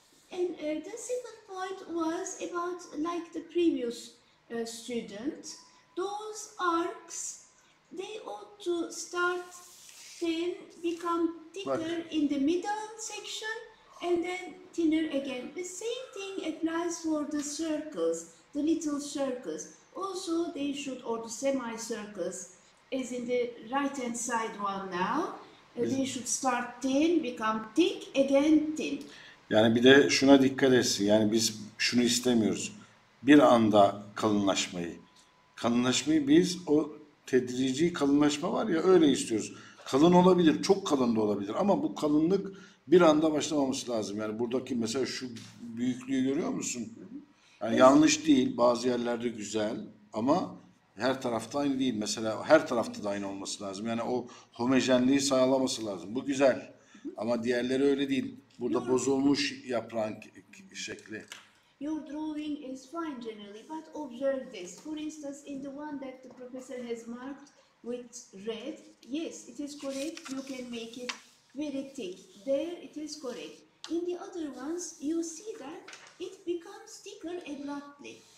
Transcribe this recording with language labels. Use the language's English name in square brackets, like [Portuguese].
[English] And the second point was about, like the previous student, those arcs, they ought to start then become thicker in the middle section and then thinner again. The same thing applies for the circles, the little circles. Also they should, or the semicircles, is in the right hand side one now. They should start thin, become thick, again thin. [Turkish] Yani bir de şuna dikkat etsin. Yani biz şunu istemiyoruz. Bir anda kalınlaşmayı. Kalınlaşmayı biz, o tedrici kalınlaşma var ya, öyle istiyoruz. Kalın olabilir, çok kalın da olabilir. Ama bu kalınlık bir anda başlamaması lazım. Yani buradaki mesela şu büyüklüğü görüyor musun? Yani yanlış değil, bazı yerlerde güzel ama her tarafta aynı değil. Mesela her tarafta da aynı olması lazım. Yani o homojenliği sağlaması lazım. Bu güzel. Ama diğerleri öyle değil. Burada bozulmuş yaprağın şekli. [English] Your drawing is fine generally, but observe this. For instance, in the one that the professor has marked with red, yes, it is correct. You can make it very thick. There it is correct. In the other ones, you see that it becomes thicker abruptly.